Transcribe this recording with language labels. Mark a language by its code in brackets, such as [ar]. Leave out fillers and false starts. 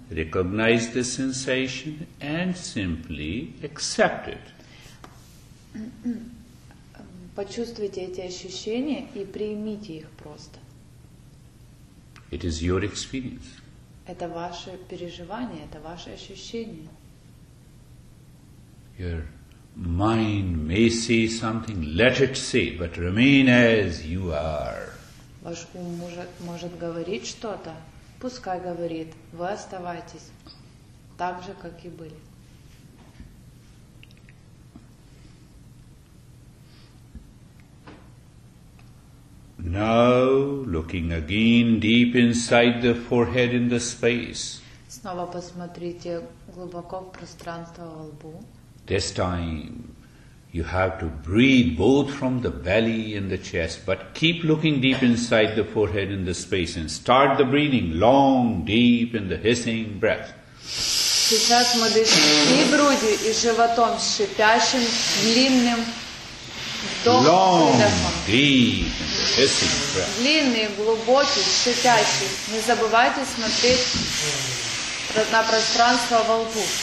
[en] Recognize the sensation and simply accept it. [ru] Почувствуйте эти ощущения и примите их просто. [en] It is your experience. [ru] Это ваше переживание, это ваши ощущения. [en] Your mind may say something, let it say, but remain as you are. [ru] Ваш ум может говорить что-то, пускай говорит, вы оставайтесь так же, как и были. [en] Now, looking again deep inside the forehead in the space. [ru] Снова посмотрите глубоко в пространство во лбу. [en] This time you have to breathe both from the belly and the chest, but keep looking deep inside the forehead in the space and start the breathing long, deep in the hissing breath. [ru] Сейчас мы дышим и грудью, и животом с шипящим, длинным вдохом. [en] Long, deep in the hissing breath. [ru] Длинный, глубокий, шипящий. Не забывайте смотреть на пространство во лбу.